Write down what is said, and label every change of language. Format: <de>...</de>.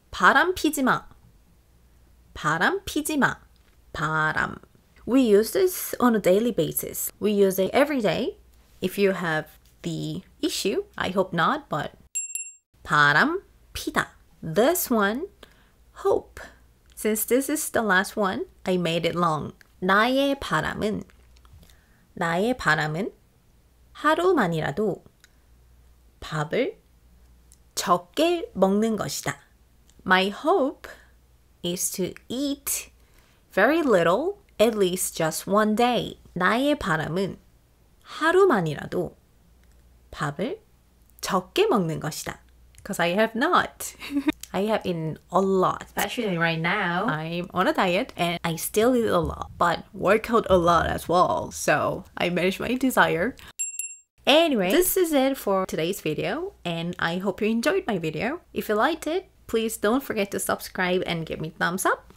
<ko>바람 피지 마. 바람 피지 마. 바람.</ko> <en>We use this on a daily basis. We use it every day. If you have the issue, I hope not, but</en> <ko>바람 피다.</ko> <en>This one, hope. Since this is the last one, I made it long.</en> <ko>나의 바람은 나의 바람은 하루만이라도 밥을 적게 먹는 것이다.</ko> <en>My hope is to eat very little, at least just one day.</en> <ko>나의 바람은 하루만이라도 밥을 적게 먹는 것이다.</ko> <en>Because I have not. I have eaten a lot. Especially right now. I'm on a diet and I still eat a lot. But work out a lot as well. So I manage my desire. Anyway, this is it for today's video, and I hope you enjoyed my video. If you liked it, please don't forget to subscribe and give me thumbs up.</en>